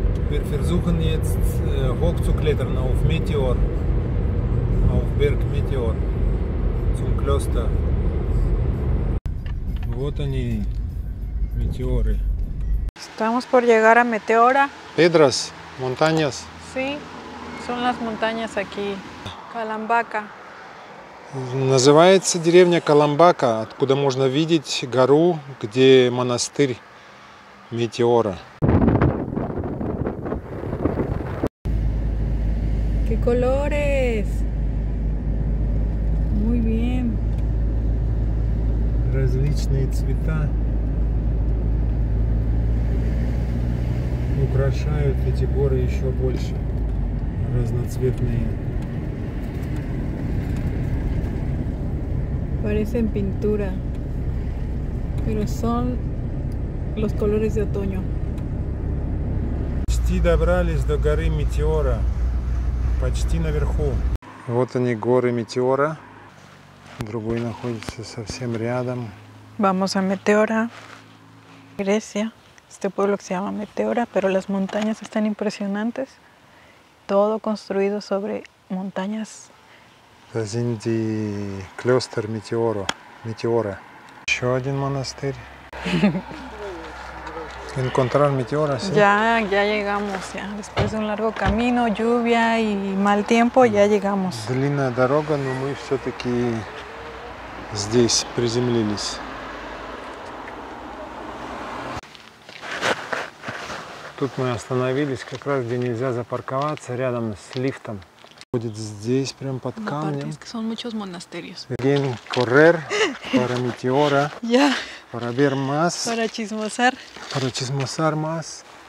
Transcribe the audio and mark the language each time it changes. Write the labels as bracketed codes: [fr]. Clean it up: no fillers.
[de] Wir versuchen jetzt hochzuklettern auf Meteor, auf Berg Meteor, zum Kloster. [ru] Вот они, метеоры. [es] Estamos por llegar a Meteora. Piedras, montañas. Sí, son las montañas aquí. [ru] Каламбака. Называется деревня Каламбака, откуда можно видеть гору, где монастырь Метеора. [es] Qué colores. Muy bien. [ru] Различные цвета украшают эти горы еще больше, разноцветные. [es] Parecen pintura, pero son los colores de otoño. [ru] Почти добрались до горы Метеора, почти наверху. Вот они, горы Метеора. Другой находится совсем рядом. [es] Vamos a Meteora, Grecia. Este pueblo que se llama Meteora, pero las montañas están impresionantes. Todo construido sobre montañas. [ru] Это Зинди Клёстер Метеора. Метеора. Еще один монастырь. [es] Encontrar Meteora, sí. Ya llegamos, ya. Después de un largo camino, lluvia y mal tiempo, ya llegamos. [ru] Длинная дорога, но мы все-таки здесь приземлились. Тут мы остановились, как раз где нельзя запарковаться, рядом с лифтом. Будет здесь, прям под камнем. [es] Son muchos monasterios. Again, correr para Meteora. Ya. Para ver más. Para chismosar. Para chismosar más.